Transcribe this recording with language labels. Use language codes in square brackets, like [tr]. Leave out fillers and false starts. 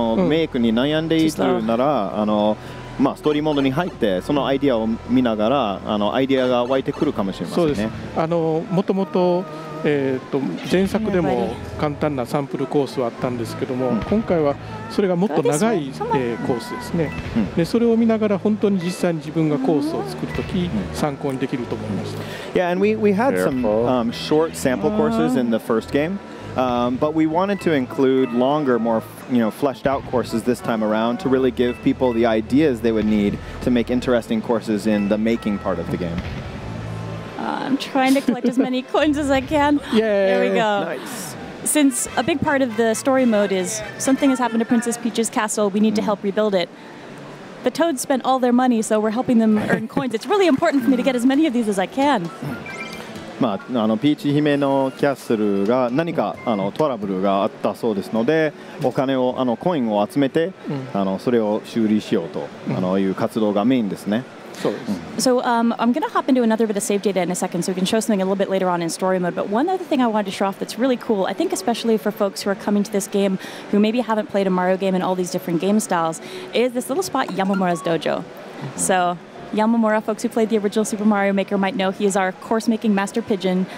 [ja] まあ、ストーリーモードに入ってそのアイディアを見ながらアイディアが湧いてくるかもしれませんね。そうです。もともと前作でも簡単なサンプルコースはあったんですけども、今回はそれがもっと長い、コースですね。でそれを見ながら本当に実際に自分がコースを作るとき、参考にできると思いました。 [en] Yeah, and we had some short sample courses in the first gameBut we wanted to include longer, more fleshed out courses this time around to really give people the ideas they would need to make interesting courses in the making part of the game. I'm trying to collect as many coins as I can. Yay! There we go. Nice. Since a big part of the story mode is something has happened to Princess Peach's castle, we need to help rebuild it. The Toads spent all their money, so we're helping them earn coins. It's really important for me to get as many of these as I can. [ja] まあ、ピーチ姫のキャッスルが何かトラブルがあったそうですので、お金をコインを集めてそれを修理しようという活動がメインですね。そうです。 [en] So, I'm going to hop into another bit of save data in a second so we can show something a little bit later on in story mode. But one other thing I wanted to show off that's really cool, I think especially for folks who are coming to this game who maybe haven't played a Mario game in all these different game styles, is this little spot Yamamura's Dojo. So... Yamamura, folks who played the original Super Mario Maker might know he is our course-making master pigeon.